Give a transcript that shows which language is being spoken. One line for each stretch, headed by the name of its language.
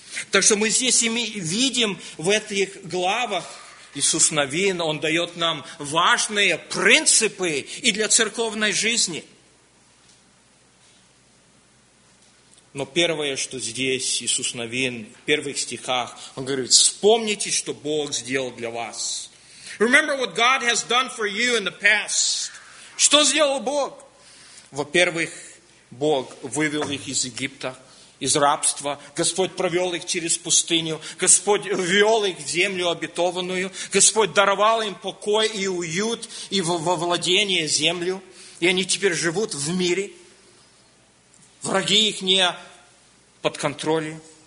Russian: Так что мы здесь видим в этих главах Иисус Навин, он дает нам важные принципы и для церковной жизни. Но первое, что здесь Иисус Навин в первых стихах, он говорит, вспомните, что Бог сделал для вас.
English: Remember what God has done for you in the past.
Russian: Что сделал Бог? Во-первых, Бог вывел их из Египта, из рабства. Господь провел их через пустыню. Господь ввел их в землю обетованную. Господь даровал им покой и уют, и во владение землю. И они теперь живут в мире. Враги их не под контролем.